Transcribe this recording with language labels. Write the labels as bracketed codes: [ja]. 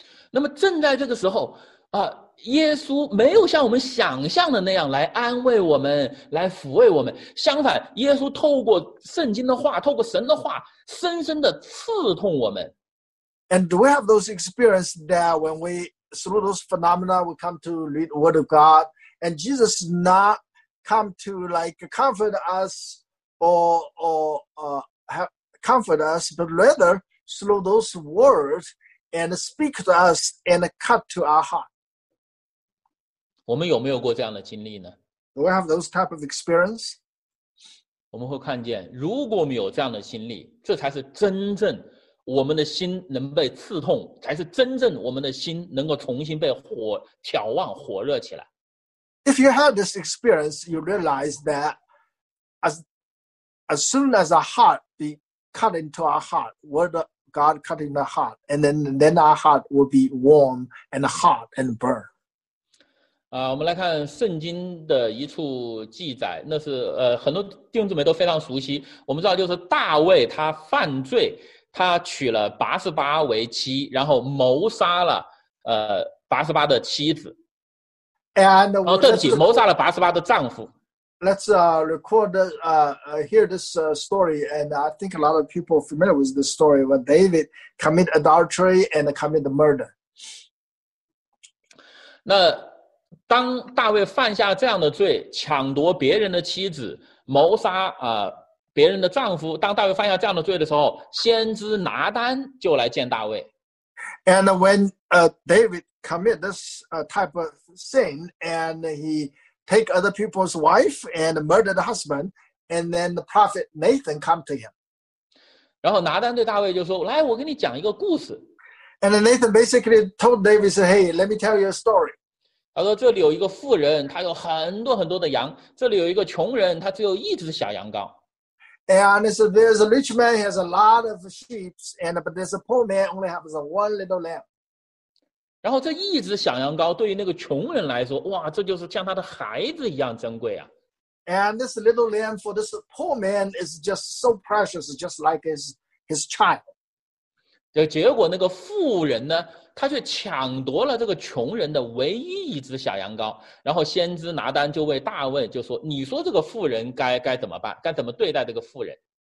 [zh] 那么正在这个时候啊。耶稣没有像我们想象的那样来安慰我们，来抚慰我们。相反，耶稣透过圣经的话，透过神的话，深深的刺痛我们。 [en] And do we have those experiences that when we through those phenomena we come to read the Word of God, and Jesus not come to like comfort us comfort us, but rather through those words and speak to us and cut to our heart? [zh] 我们有没有过这样的经历呢？ [en] Do we have those type of experience? [zh] 我们会看见，如果我们有这样的经历，这才是真正我们的心能被刺痛，才是真正我们的心能够重新被火眺望火热起来。 [en] If you have this experience, you realize that as soon as our heart be cut into our heart, word of God cut in the heart, and then our heart will be warm and hot and burn. [zh] 我们来看圣经的一处记载，那是很多弟兄姊妹都非常熟悉。我们知道就是大卫他犯罪，他娶了八十八为妻，然后谋杀了八十八的妻子。 [en] And [zh] 哦，对不起，谋杀了八十八的丈夫。 [en] Let's record hear this story, and I think a lot of people are familiar with this story when David commit adultery and commit the murder. [zh] 那当大卫犯下这样的罪，抢夺别人的妻子，谋杀别人的丈夫，当大卫犯下这样的罪的时候，先知拿单就来见大卫。 [en] And when David commit this type of sin, and he take other people's wife and murder the husband, and then the prophet Nathan come to him. [zh] 然后拿单对大卫就说，来，我给你讲一个故事。 [en] And Nathan basically told David, said, hey, let me tell you a story. [zh] 他说，这里有一个富人，他有很多很多的羊，这里有一个穷人，他只有一只小羊羔。 [en] And so there's a rich man, he has a lot of sheep, but there's a poor man, only has one little lamb. [zh] 然后这一只小羊羔对于那个穷人来说，哇，这就是像他的孩子一样珍贵啊。 [en] And this little lamb for this poor man is just so precious, just like his child. [zh] 结果那个富人呢，他却抢夺了这个穷人的唯一一只小羊羔。然后先知拿单就为大卫就说，你说这个富人该怎么办，该怎么对待这个富人。